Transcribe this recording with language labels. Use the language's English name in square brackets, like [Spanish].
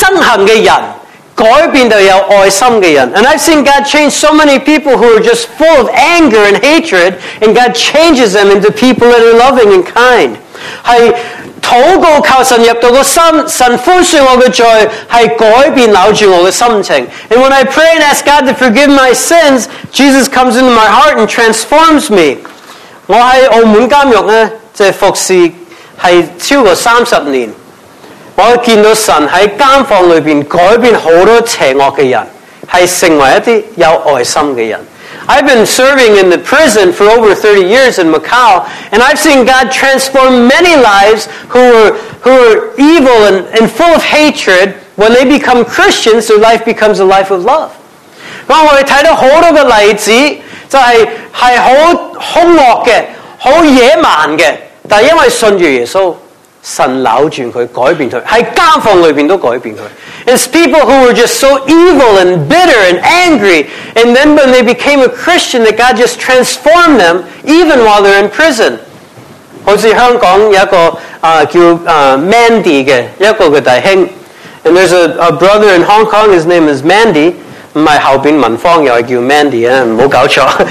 [Chinese] 我看到呢,神是真的,是可以将一些有好憎恨的人,改变到有爱心的人。 [English] And I've seen God change so many people who are just full of anger and hatred, and God changes them into people that are loving and kind. [Chinese] 是祷告靠神入到我心,神宽恕我的罪,是改变扭转我的心情。 [English] And when I pray and ask God to forgive my sins, Jesus comes into my heart and transforms me. [Chinese] 我在澳门监狱呢,就是服侍,是超过30年。我看到神在监房里面改变很多邪恶的人,是成为一些有爱心的人。 [English] I've been serving in the prison for over 30 years in Macau, and I've seen God transform many lives who are evil and full of hatred. When they become Christians, their life becomes a life of love. [Chinese] 我们看到很多的例子，就是很恶的，很野蛮的，但因为信主耶稣，神扭转他，改变他，在监房里面都改变他。 [English] It's people who were just so evil and bitter and angry, and then when they became a Christian, that God just transformed them, even while they're in prison. [Chinese] 好像香港有一个叫Mandy的，一个弟兄， [English] and there's a brother in Hong Kong, his name is Mandy. [Chinese] 不是后面文芳又叫Mandy，不要搞错。